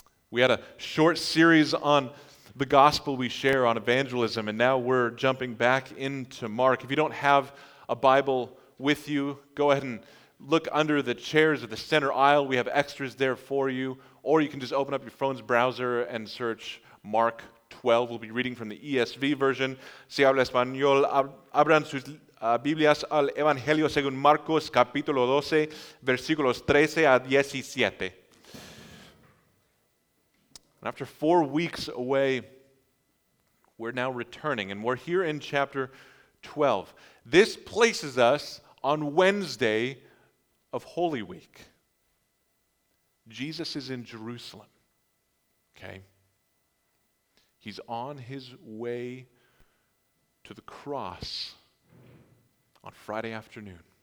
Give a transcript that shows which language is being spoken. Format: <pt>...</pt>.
<en>We had a short series on the gospel we share, on evangelism, and now we're jumping back into Mark. If you don't have a Bible with you, go ahead and look under the chairs at the center aisle. We have extras there for you, or you can just open up your phone's browser and search Mark 12. We'll be reading from the ESV version.</en> <es>Si habla español, abran sus Biblias al Evangelio según Marcos, capítulo 12, versículos 13 a 17.</es> <en>And after 4 weeks away, we're now returning, and we're here in chapter 12. This places us on Wednesday of Holy Week. Jesus is in Jerusalem, okay? He's on his way to the cross on Friday afternoon.</en>